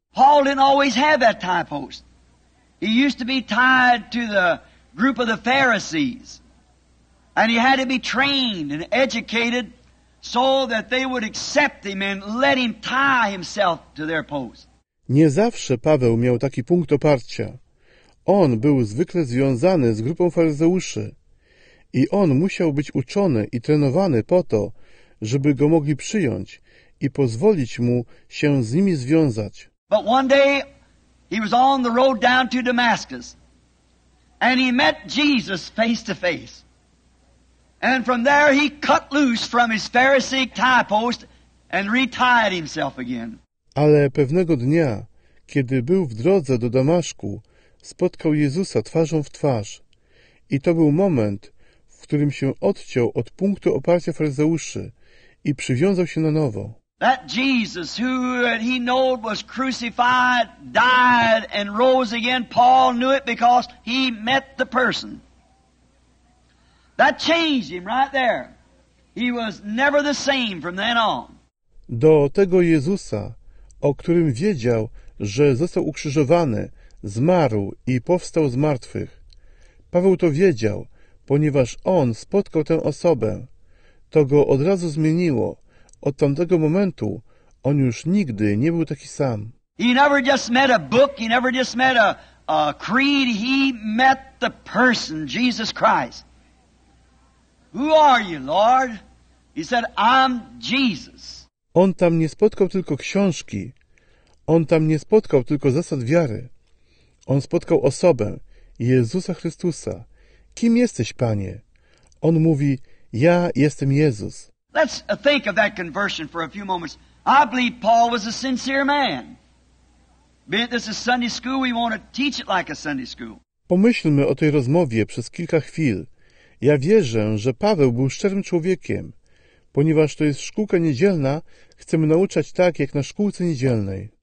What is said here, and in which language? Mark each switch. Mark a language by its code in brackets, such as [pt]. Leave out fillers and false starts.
[en] Paul didn't always have that tie post. He used to be tied to the group of the Pharisees. And he had to be trained and educated so that they would accept him and let him tie himself to their post. [pl] Nie zawsze Paweł miał taki punkt oparcia. On był zwykle związany z grupą faryzeuszy. i on musiał być uczony i trenowany po to, żeby go mogli przyjąć i pozwolić mu się z nimi związać. [en] But one day he was on the road down to Damascus and he met Jesus face to face. And from there he cut loose from his Pharisee tie post and retied himself again. [pl] Ale pewnego dnia, kiedy był w drodze do Damaszku, spotkał Jezusa twarzą w twarz. I to był moment, w którym się odciął od punktu oparcia faryzeuszy i przywiązał się na nowo. [en] That Jesus, who he knew was crucified, died and rose again. Paul knew it because he met the person. That changed him right there. He was never the same from then on. [pl] Do tego Jezusa, o którym wiedział, że został ukrzyżowany, zmarł i powstał z martwych. Paweł to wiedział, ponieważ on spotkał tę osobę. To go od razu zmieniło. Od tamtego momentu on już nigdy nie był taki sam. [en] He never just met a book, he never just met a creed, he met the person, Jesus Christ. Who are you, Lord? He said, I'm Jesus. [pl] On tam nie spotkał tylko książki. On tam nie spotkał tylko zasad wiary. On spotkał osobę, Jezusa Chrystusa. Kim jesteś, Panie? On mówi, ja jestem Jezus. [en] Let's think of that conversion for a few moments. I believe Paul was a sincere man. This is Sunday school, we want to teach it like a Sunday school. [pl] Pomyślmy o tej rozmowie przez kilka chwil. Ja wierzę, że Paweł był szczerym człowiekiem. Ponieważ to jest szkółka niedzielna, chcemy nauczać tak, jak na szkółce niedzielnej.